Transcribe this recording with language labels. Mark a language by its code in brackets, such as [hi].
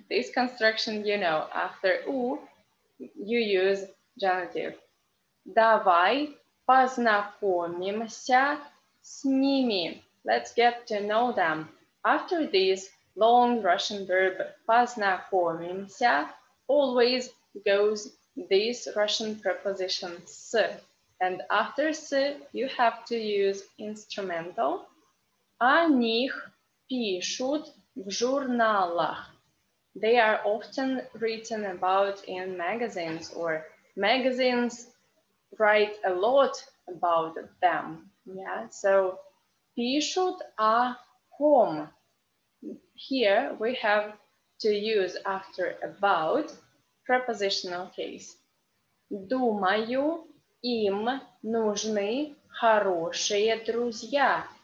[en] This construction, you know, after у, you use genitive. [ru] Давай познакомимся с ними. [en] Let's get to know them. After this long Russian verb познакомимся, always goes this Russian preposition с. And after «с» you have to use instrumental. [ru] О них пишут в журналах. [en] They are often written about in magazines, or magazines write a lot about them. Yeah, so [ru] пишут о ком. [en] Here we have to use after about prepositional case. [ru] Думаю, им нужны хорошие друзья.